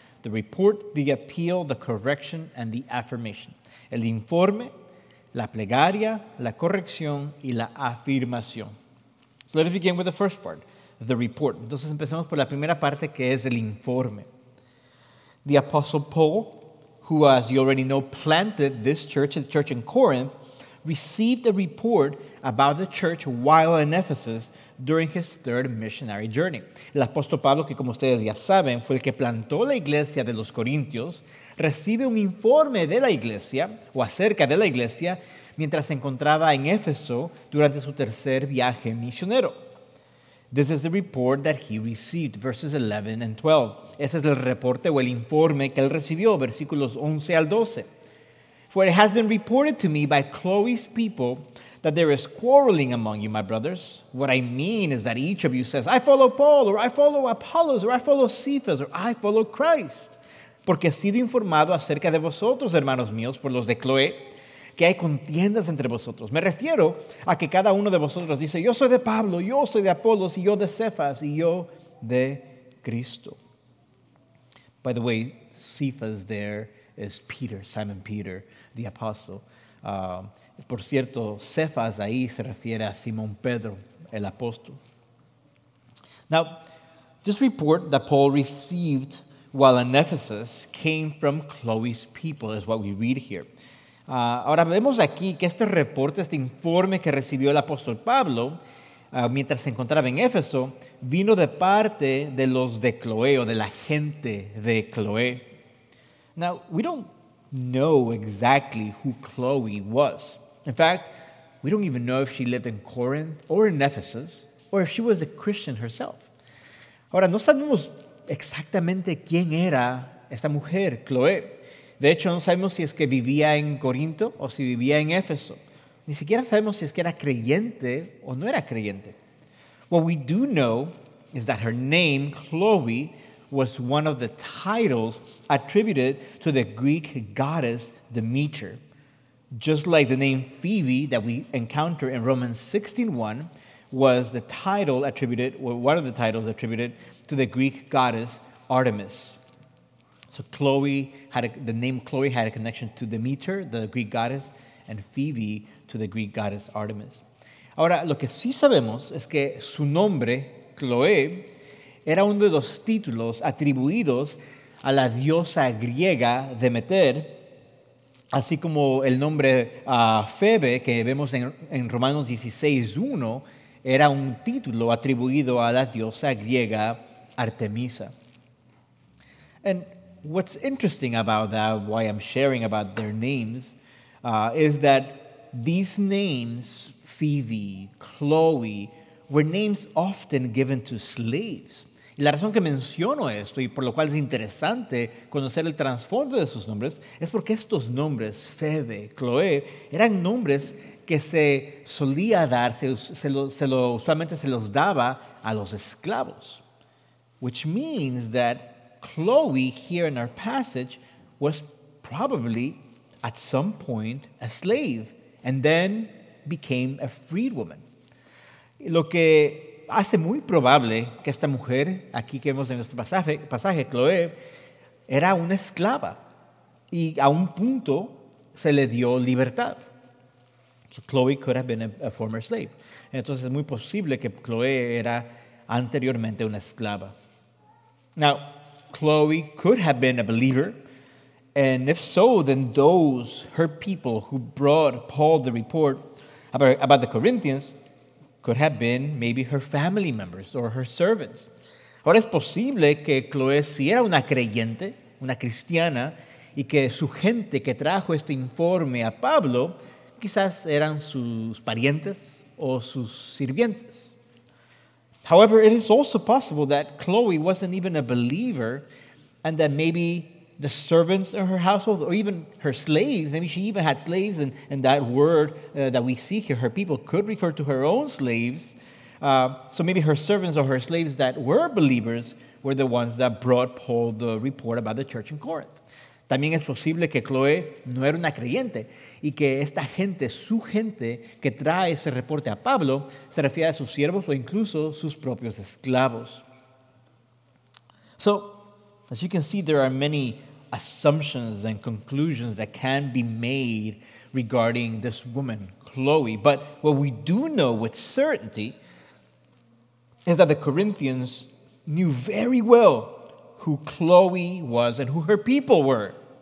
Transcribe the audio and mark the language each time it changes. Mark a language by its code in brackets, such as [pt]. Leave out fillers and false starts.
[en] The report, the appeal, the correction, and the affirmation. [es] El informe, la plegaria, la corrección, y la afirmación. [en] So let's begin with the first part, the report. [es] Entonces empecemos por la primera parte, que es el informe. [en] The Apostle Paul, who, as you already know, planted this church, the church in Corinth, received a report about the church while in Ephesus during his third missionary journey. [es] El apóstol Pablo, que como ustedes ya saben, fue el que plantó la iglesia de los corintios, recibe un informe de la iglesia o acerca de la iglesia mientras se encontraba en Éfeso durante su tercer viaje misionero. [en] This is the report that he received, verses 11 and 12. [es] Ese es el reporte o el informe que él recibió, versículos 11 al 12. [en] For it has been reported to me by Chloe's people that there is quarreling among you, my brothers. What I mean is that each of you says, I follow Paul, or I follow Apollos, or I follow Cephas, or I follow Christ. [es] Porque he sido informado acerca de vosotros, hermanos míos, por los de Chloe, que hay contiendas entre vosotros. Me refiero a que cada uno de vosotros dice, yo soy de Pablo, yo soy de Apolos, y yo de Cephas, y yo de Cristo. [en] By the way, Cephas there is Peter, Simon Peter, the apostle. [es] Por cierto, Cephas ahí se refiere a Simón Pedro, el apóstol. [en] Now, this report that Paul received while in Ephesus came from Chloe's people, is what we read here. [es] Ahora vemos aquí que este reporte, este informe que recibió el apóstol Pablo mientras se encontraba en Éfeso, vino de parte de los de Chloe o de la gente de Chloe. [en] Now, we don't know exactly who Chloe was. In fact, we don't even know if she lived in Corinth or in Ephesus or if she was a Christian herself. [es] Ahora, no sabemos exactamente quién era esta mujer, Chloe. De hecho, no sabemos si es que vivía en Corinto o si vivía en Éfeso. Ni siquiera sabemos si es que era creyente o no era creyente. [en] What we do know is that her name, Chloe, was one of the titles attributed to the Greek goddess Demeter. Just like the name Phoebe that we encounter in Romans 16:1 was the title attributed, or one of the titles attributed to the Greek goddess Artemis. So Chloe had the name Chloe had a connection to Demeter, the Greek goddess, and Phoebe to the Greek goddess Artemis. [es] Ahora, lo que sí sabemos es que su nombre, Chloe, era uno de los títulos atribuidos a la diosa griega Demeter, así como el nombre Febe, que vemos en Romanos 16:1, era un título atribuido a la diosa griega Artemisa. [en] And what's interesting about that, why I'm sharing about their names, is that these names, Phoebe, Chloe, were names often given to slaves. [es] Y la razón que menciono esto y por lo cual es interesante conocer el trasfondo de sus nombres es porque estos nombres, Febe, Chloe, eran nombres que se solía dar, usualmente se los daba a los esclavos. [en] Which means that Chloe, here in our passage, was probably at some point a slave and then became a freed woman. [es] Lo que hace muy probable que esta mujer, aquí que vemos en nuestro pasaje, Chloe, era una esclava y a un punto se le dio libertad. [en] So Chloe could have been a former slave. [es] Entonces es muy posible que Chloe era anteriormente una esclava. [en] Now, Chloe could have been a believer, and if so, then those, her people who brought Paul the report about the Corinthians, could have been maybe her family members or her servants. [es] Ahora es posible que Chloe sí era una creyente, una cristiana, y que su gente que trajo este informe a Pablo, quizás eran sus parientes o sus sirvientes. [en] However, it is also possible that Chloe wasn't even a believer and that maybe the servants in her household or even her slaves, maybe she even had slaves and that word that we see here, her people, could refer to her own slaves. So maybe her servants or her slaves that were believers were the ones that brought Paul the report about the church in Corinth. [es] También es posible que Chloe no era una creyente y que esta gente, su gente, que trae ese reporte a Pablo, se refiere a sus siervos o incluso sus propios esclavos. [en] So, as you can see, there are many assumptions and conclusions that can be made regarding this woman, Chloe. But what we do know with certainty is that the Corinthians knew very well who Chloe was and who her people were.